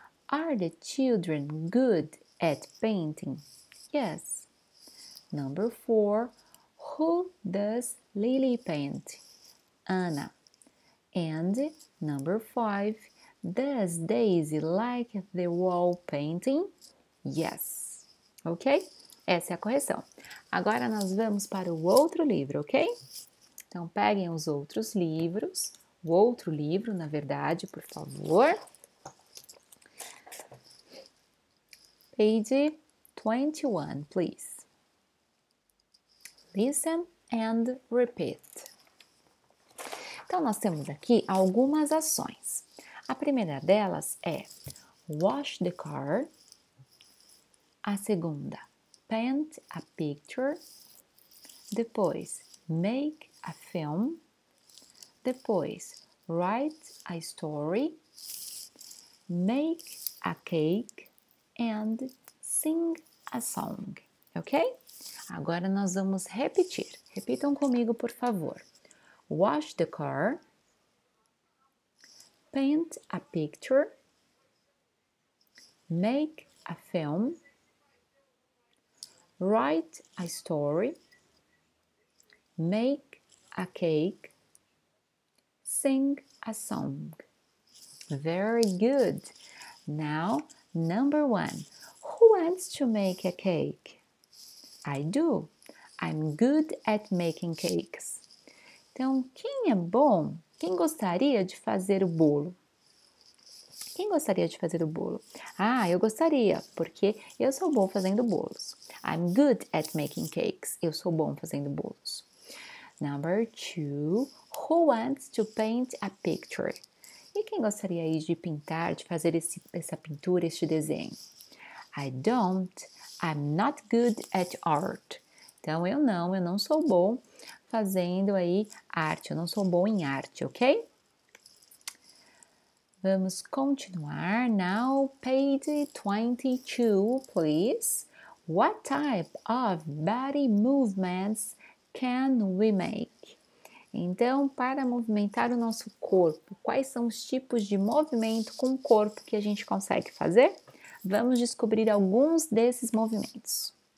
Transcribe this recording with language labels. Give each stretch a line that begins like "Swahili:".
English: Are the children good at painting? Yes. Number 4. Who does Lily paint? Ana. And number 5, does Daisy like the wall painting? Yes.
Portuguese: Ok? Essa é a correção. Agora nós vamos para o outro livro, ok? Então peguem os outros livros, o outro livro, na verdade, por favor.
English: Page 21, please. Listen and repeat.
Portuguese: Então, nós temos aqui algumas ações. A primeira delas é
English: wash the car.
Portuguese: A segunda,
English: paint a picture.
Portuguese: Depois,
English: make a film.
Portuguese: Depois,
English: write a story. Make a cake. And sing a song. Ok?
Portuguese: Agora nós vamos repetir. Repitam comigo, por favor.
English: Wash the car, paint a picture, make a film, write a story, make a cake, sing a song. Very good. Now, number 1. Who wants to make a cake? I do. I'm good at making cakes.
Portuguese: Então, quem é bom? Quem gostaria de fazer o bolo? Quem gostaria de fazer o bolo? Ah, eu gostaria, porque eu sou bom fazendo bolos.
English: I'm good at making cakes.
Portuguese: Eu sou bom fazendo bolos.
English: Number 2. Who wants to paint a picture?
Portuguese: E quem gostaria aí de pintar, de fazer essa pintura, este desenho?
English: I don't. I'm not good at art.
Portuguese: Então, eu não sou bom fazendo aí arte. Eu não sou bom em arte, ok? Vamos continuar.
English: Now, page 22, please. What type of body movements can we make?
Portuguese: Então, para movimentar o nosso corpo, quais são os tipos de movimento com o corpo que a gente consegue fazer? Vamos descobrir alguns desses movimentos.